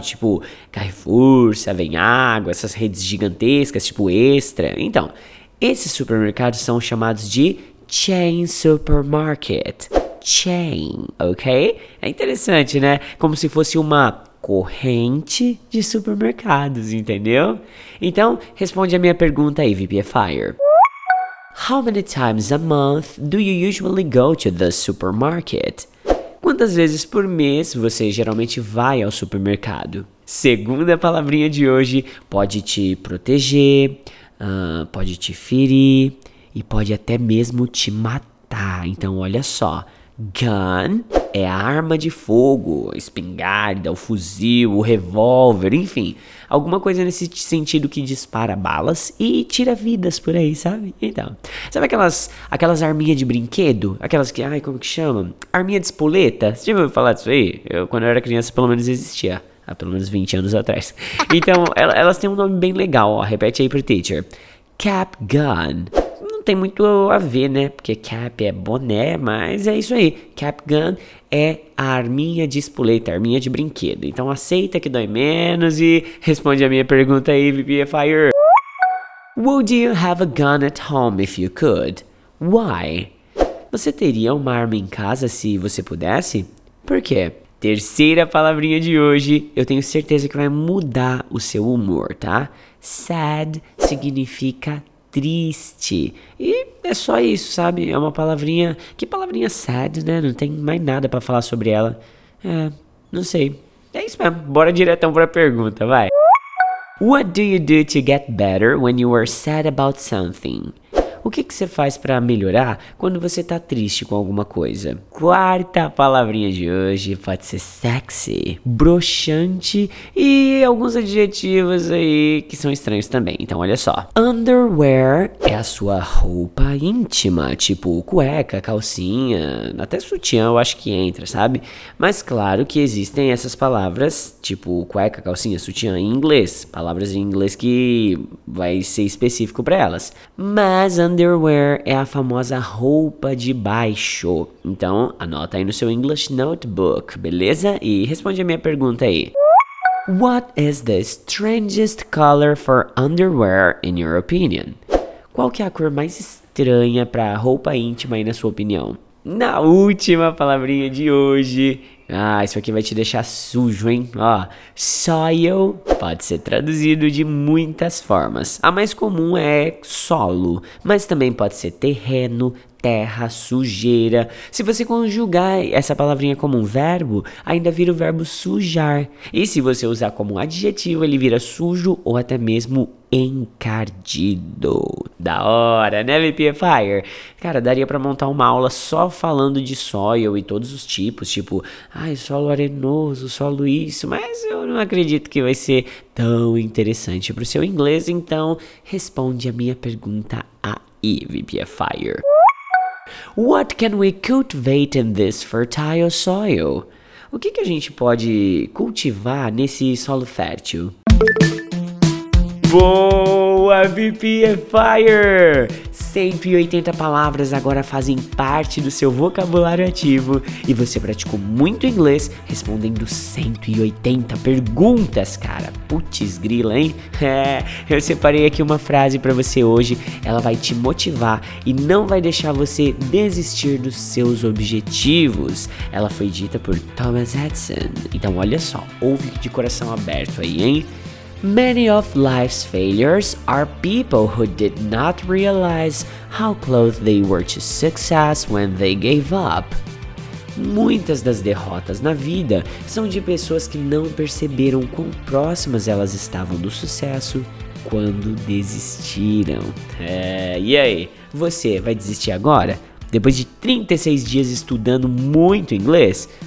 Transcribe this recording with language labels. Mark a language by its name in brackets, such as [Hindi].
[Portuguese] Tipo Carrefour, Seven Água, essas redes gigantescas, tipo Extra. Então, esses supermercados são chamados de chain supermarket. Chain, ok? É interessante, né? Como se fosse uma corrente de supermercados, entendeu? Então, responde a minha pergunta aí, VPFire. [English] How many times a month do you usually go to the supermarket? [Portuguese] Quantas vezes por mês você geralmente vai ao supermercado? Segunda palavrinha de hoje, pode te proteger, pode te ferir e pode até mesmo te matar. Então, olha só. Gun é a arma de fogo, espingarda, o fuzil, o revólver, enfim. Alguma coisa nesse sentido que dispara balas e tira vidas por aí, sabe? Então, sabe aquelas arminhas de brinquedo? Aquelas que, ai, como que chama? Arminha de espoleta? Você já ouviu falar disso aí? Eu, quando eu era criança, pelo menos existia. Há pelo menos 20 anos atrás. Então, elas têm um nome bem legal, ó. Repete aí pro teacher. Cap gun. Tem muito a ver, né? Porque cap é boné, mas é isso aí. Cap gun é a arminha de espoleta, a arminha de brinquedo. Então aceita que dói menos e responde a minha pergunta aí, VPFire. [English] Would you have a gun at home if you could? Why? [Portuguese] Você teria uma arma em casa se você pudesse? Por quê? Terceira palavrinha de hoje, eu tenho certeza que vai mudar o seu humor, tá? Sad significa triste. E é só isso, sabe? É uma palavrinha... Que palavrinha sad, né? Não tem mais nada pra falar sobre ela. É, não sei. É isso mesmo. Bora direto pra pergunta, vai. [English] What do you do to get better when you are sad about something? [Portuguese] O que que você faz pra melhorar quando você tá triste com alguma coisa? Quarta palavrinha de hoje pode ser sexy, broxante e alguns adjetivos aí que são estranhos também. Então, olha só. Underwear é a sua roupa íntima, tipo cueca, calcinha, até sutiã eu acho que entra, sabe? Mas claro que existem essas palavras, tipo cueca, calcinha, sutiã em inglês. Palavras em inglês que vai ser específico pra elas. Mas underwear é a famosa roupa de baixo. Então, anota aí no seu [English] English notebook, [Portuguese] beleza? E responde a minha pergunta aí. [English] What is the strangest color for underwear in your opinion? [Portuguese] Qual que é a cor mais estranha para roupa íntima aí na sua opinião? Na última palavrinha de hoje. Ah, isso aqui vai te deixar sujo, hein? Ó, soil pode ser traduzido de muitas formas. A mais comum é solo, mas também pode ser terreno, terra, sujeira. Se você conjugar essa palavrinha como um verbo, ainda vira o verbo sujar. E se você usar como adjetivo, ele vira sujo ou até mesmo encardido. Da hora, né, VP Fire? Cara, daria pra montar uma aula só falando de soil e todos os tipos, tipo, ai, solo arenoso, solo isso, mas eu não acredito que vai ser tão interessante pro seu inglês, então responde a minha pergunta aí, VP Fire. [English] What can we cultivate in this fertile soil? [Portuguese] O que que a gente pode cultivar nesse solo fértil? Boa, VP Fire! 180 palavras agora fazem parte do seu vocabulário ativo e você praticou muito inglês respondendo 180 perguntas, cara. Putz grila, hein? É, eu separei aqui uma frase pra você hoje. Ela vai te motivar e não vai deixar você desistir dos seus objetivos. Ela foi dita por Thomas Edison. Então olha só, ouve de coração aberto aí, hein? [English] Many of life's failures are people who did not realize how close they were to success when they gave up. [Portuguese] Muitas das derrotas na vida são de pessoas que não perceberam quão próximas elas estavam do sucesso quando desistiram. É, e aí, você vai desistir agora? Depois de 36 dias estudando muito inglês?